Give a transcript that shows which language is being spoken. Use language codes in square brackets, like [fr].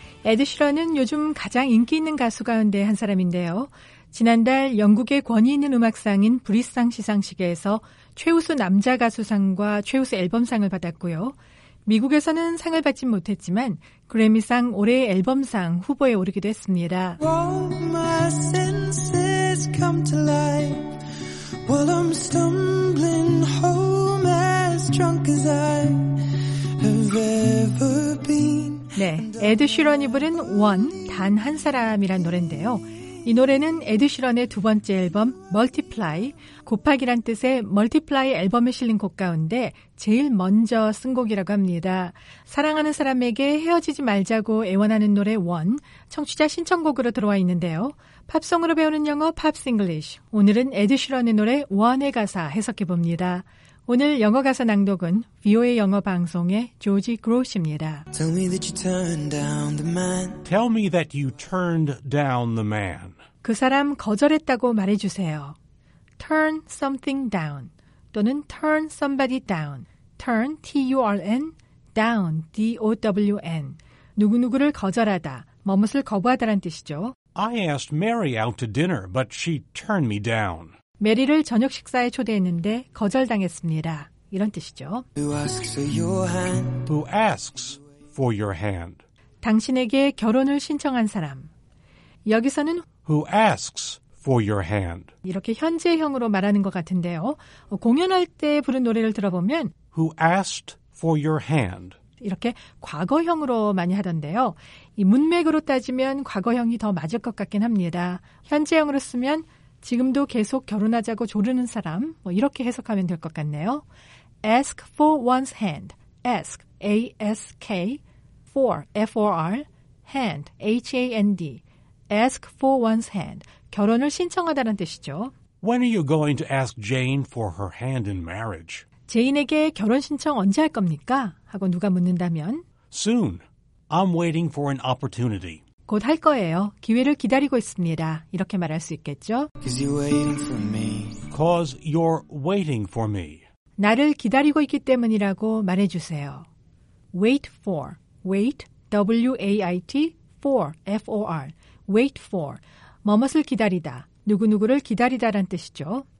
[ko] 에드 시런은 요즘 가장 인기 있는 가수 가운데 한 사람인데요. 지난달 영국의 권위 있는 음악상인 브릿상 시상식에서 최우수 남자 가수상과 최우수 앨범상을 받았고요. 미국에서는 상을 받진 못했지만 그래미상 올해의 앨범상 후보에 오르기도 했습니다. [en] All my senses come to life while I'm stumbling home as drunk as I have ever been. [ko] 네, 에드 시런이 부른 One, 단 한 사람이란 노래인데요. 이 노래는 에드 시런의 두 번째 앨범 Multiply, 곱하기란 뜻의 Multiply 앨범에 실린 곡 가운데 제일 먼저 쓴 곡이라고 합니다. 사랑하는 사람에게 헤어지지 말자고 애원하는 노래 One, 청취자 신청곡으로 들어와 있는데요. 팝송으로 배우는 영어 Pops English, 오늘은 에드 시런의 노래 One의 가사 해석해봅니다. 오늘 영어 가사 낭독은 VOA 영어 방송의 조지 그로시입니다. [en] Tell me that you turned down the man. Tell me that you turned down the man. [ko] 그 사람 거절했다고 말해주세요. [en] Turn something down 또는 turn somebody down. Turn, T-U-R-N, down, D-O-W-N. [ko] 누구누구를 거절하다, 뭐뭇을 거부하다란 뜻이죠. [en] I asked Mary out to dinner, but she turned me down. [ko] 메리를 저녁 식사에 초대했는데 거절당했습니다. 이런 뜻이죠. [en] Who asks for your hand? Who asks for your hand? [ko] 당신에게 결혼을 신청한 사람. 여기서는 [en] Who asks for your hand? [ko] 이렇게 현재형으로 말하는 것 같은데요. 공연할 때 부른 노래를 들어보면 [en] Who asked for your hand? [ko] 이렇게 과거형으로 많이 하던데요. 이 문맥으로 따지면 과거형이 더 맞을 것 같긴 합니다. 현재형으로 쓰면 지금도 계속 결혼하자고 조르는 사람, 뭐 이렇게 해석하면 될 것 같네요. [en] Ask for one's hand. Ask, A-S-K, for, F-O-R, hand, H-A-N-D. Ask for one's hand. [ko] 결혼을 신청하다는 뜻이죠. [en] When are you going to ask Jane for her hand in marriage? [ko] 제인에게 결혼 신청 언제 할 겁니까? 하고 누가 묻는다면 [en] Soon. I'm waiting for an opportunity. [ko] 곧 할 거예요. 기회를 기다리고 있습니다. 이렇게 말할 수 있겠죠? [en] Cause you're waiting for me. Cause you're waiting for me. [ko] 나를 기다리고 있기 때문이라고 말해주세요. [en] Wait for. Wait, W-A-I-T, for, F-O-R. Wait for. [ko] 뭐뭇을 기다리다, 누구누구를 기다리다란 뜻이죠.